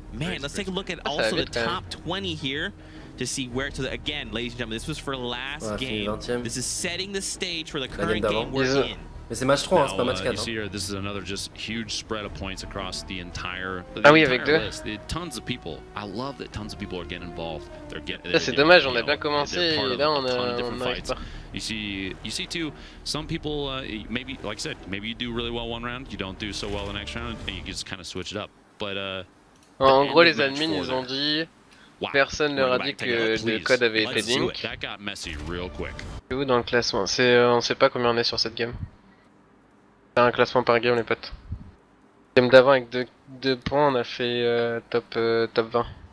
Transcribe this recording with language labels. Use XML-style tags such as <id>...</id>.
<en>Man, let's take a look at also the top 20 here. To see where to the, again, ladies and gentlemen, this was for last game.</en> <fr>20e.</fr> <en>This is setting the stage for the current game we're in.</en> <fr>Mais c'est match 3, c'est pas match 4.</fr> <en>You see here, this is another just huge spread of points across the entire list. The tons of people. I love that tons of people are getting involved.</en> <fr>C'est dommage, on a bien commencé et là on arrive pas.</fr> <en>You see too, some people, maybe, like I said, maybe you do really well one round, you don't do so well the next round, and you just kind of switch it up. But,</en> <fr>en gros, les admins, ils ont dit... Wow. Personne leur a dit que le code avait été dink. C'est où dans le classement? On sait pas combien on est sur cette game. C'est un classement par game, les potes. Game d'avant avec deux points, on a fait top 20.</fr>